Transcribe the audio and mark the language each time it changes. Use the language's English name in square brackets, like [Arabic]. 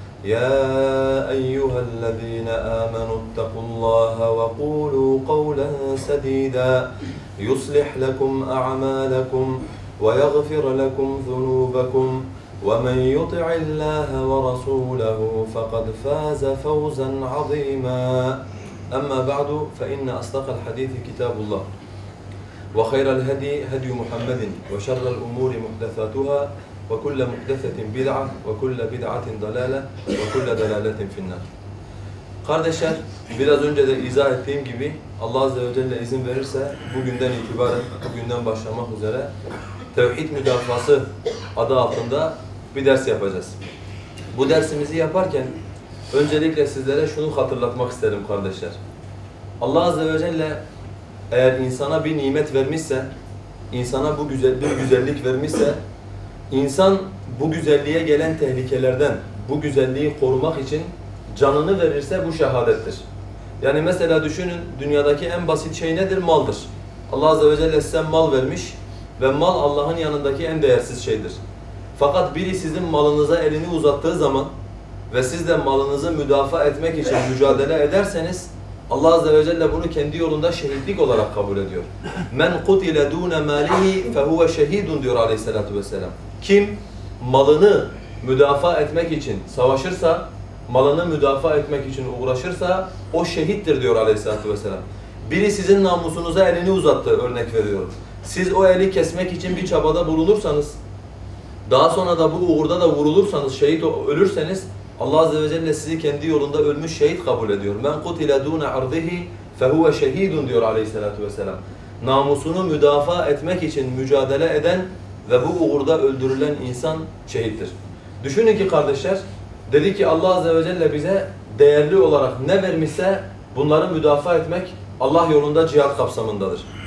[Arabic] يا أيها الذين آمنوا اتقوا الله وقولوا قولا سديدا يصلح لكم أعمالكم ويغفر لكم ذنوبكم ومن يطع الله ورسوله فقد فاز فوزا عظيما أما بعد فإن أصدق الحديث كتاب الله وخير الهدي هدي محمد وشر الأمور محدثاتها وكل محدثة بدعة وكل بدعة ضلالة وكل ضلالة في النار. [Turkish] Kardeşler, biraz önce de izah ettiğim gibi Allah Azze ve Celle izin verirse bugünden itibaren, bugünden başlamak üzere Tevhid Müdafaası adı altında bir ders yapacağız. Bu dersimizi yaparken öncelikle sizlere şunu hatırlatmak isterim kardeşler. Allah Azze ve Celle eğer insana bir nimet vermişse, insana bu güzel bir güzellik vermişse, insan bu güzelliğe gelen tehlikelerden bu güzelliği korumak için canını verirse bu şehadettir. Yani mesela düşünün, dünyadaki en basit şey nedir? Maldır. Allah Azze ve Celle size mal vermiş ve mal Allah'ın yanındaki en değersiz şeydir. Fakat biri sizin malınıza elini uzattığı zaman ve siz de malınızı müdafaa etmek için mücadele ederseniz Allah Azze ve Celle bunu kendi yolunda şehitlik olarak kabul ediyor. [Arabic] مَنْ قُتِلَ دُونَ مَالِهِ فَهُوَ شَهِيدٌ [Turkish] diyor aleyhissalatu vesselam. Kim malını müdafaa etmek için savaşırsa, malını müdafaa etmek için uğraşırsa o şehittir diyor aleyhissalatu vesselam. Biri sizin namusunuza elini uzattı, örnek veriyorum. Siz o eli kesmek için bir çabada bulunursanız, daha sonra da bu uğurda da vurulursanız, şehit ölürseniz Allah Azze ve Celle sizi kendi yolunda ölmüş şehit kabul ediyor. [Arabic] مَنْ قُتِلَ دُونَ عَرْضِهِ فَهُوَ شَهِيدٌ [Turkish] diyor aleyhissalatu vesselam. Namusunu müdafaa etmek için mücadele eden ve bu uğurda öldürülen insan şehittir. Düşünün ki kardeşler, dedi ki Allah Azze ve Celle bize değerli olarak ne vermişse bunları müdafaa etmek Allah yolunda cihat kapsamındadır.